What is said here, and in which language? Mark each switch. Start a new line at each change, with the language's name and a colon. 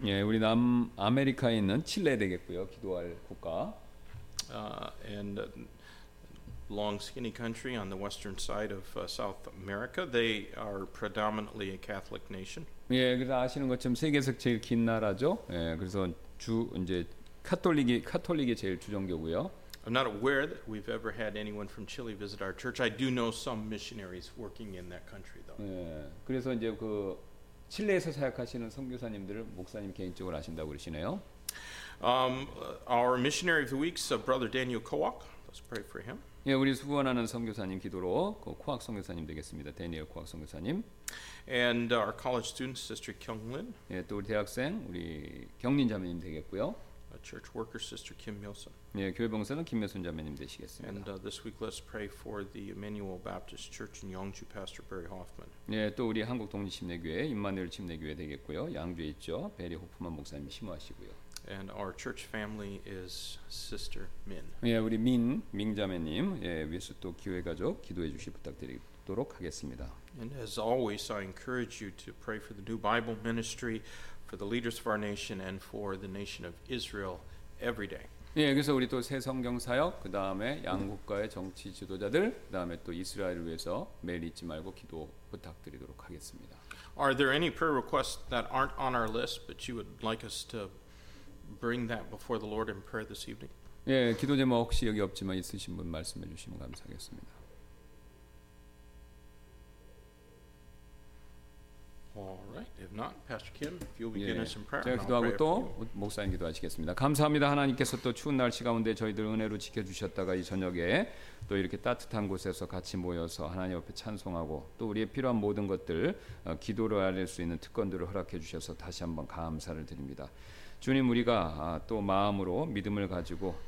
Korean: 예, 우리 남아메리카에 있는 칠레 되겠고요. 기도할 국가.
English: And a long skinny country on the western side of South America. They are predominantly a Catholic nation.
Korean: 예, 그래서 아시는 것처럼 세계에서 제일 긴 나라죠. 예, 그래서 주 이제 카톨릭이 제일 주종교고요.
English: I'm not aware that we've ever had anyone from Chile visit our church. I do know some missionaries working in that country, though.
Korean: 예, 그래서 이제 그 칠레에서 사역하시는 선교사님들을 목사님 개인적으로 아신다고 그러시네요.
English: Our missionary of the week is Brother Daniel Coak. Let's pray for him.
Korean: 예, 우리 수고하는 선교사님 기도로 그 코악 선교사님 되겠습니다. 대니엘 코악 선교사님.
English: And our college student sister Kyung Lin.
Korean: 예, 또 우리 대학생 우리 경린 자매님 되겠고요.
English: A church worker sister Kim Milson.
Korean: 예, 교회 봉사는 김미순 자매님 되시겠습니다.
English: And this week let's pray for the Emmanuel Baptist Church in Yeongju Pastor Barry Hoffman.
Korean: 예, 또 우리 한국 독립 침례교회 임마누엘 침례교회 되겠고요. 양주에 있죠. 베리 호프만 목사님 심어하시고요.
English: And our church family is Sister Min.
Korean: 예, 우리 민 자매님, 예, 위에서 또 교회 가족 기도해 주시 부탁드리도록 하겠습니다.
English: And as always, I encourage you to pray for the new Bible ministry, for the leaders of our nation, and for the nation of Israel every day.
Korean: 예, 그래서 우리 또 새 성경 사역, 그 다음에 양국가의 정치 지도자들, 그 다음에 또 이스라엘을 위해서 매일 잊지 말고 기도 부탁드리도록 하겠습니다.
English: Are there any prayer requests that aren't on our list, but you would like us to bring that before the Lord in prayer this evening.
Korean: 예, 기도 제목 혹시 여기 없지만 있으신 분 말씀해 주시면 감사하겠습니다.
English: 예, All right. If not, Pastor Kim, if you'll begin us in prayer.
Korean: 제가 기도하고 또 목사님 기도하시겠습니다. 감사합니다. 하나님께서 또 추운 날씨 가운데 저희들 은혜로 지켜 주셨다가 이 저녁에 또 이렇게 따뜻한 곳에서 같이 모여서 하나님 앞에 찬송하고 또 우리의 필요한 모든 것들 기도로 알릴 수 있는 특권들을 허락해 주셔서 다시 한번 감사를 드립니다. 주님 우리가 또 마음으로 믿음을 가지고